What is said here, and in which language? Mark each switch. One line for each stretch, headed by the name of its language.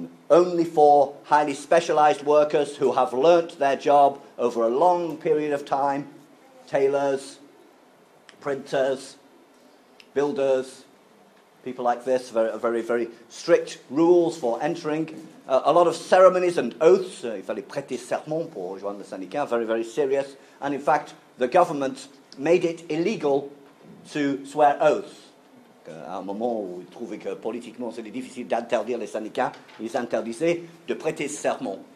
English: Only for highly specialised workers who have learnt their job over a long period of time. Tailors, printers, builders, people like this. Very, very, very strict rules for entering. A lot of ceremonies and oaths.
French: Il fallait prêter serment pour rejoindre le syndicat.
English: Very, very serious. And in fact, the government made it illegal to swear oaths.
French: À un moment où ils trouvaient que politiquement c'était difficile d'interdire les syndicats, ils interdisaient de prêter serment.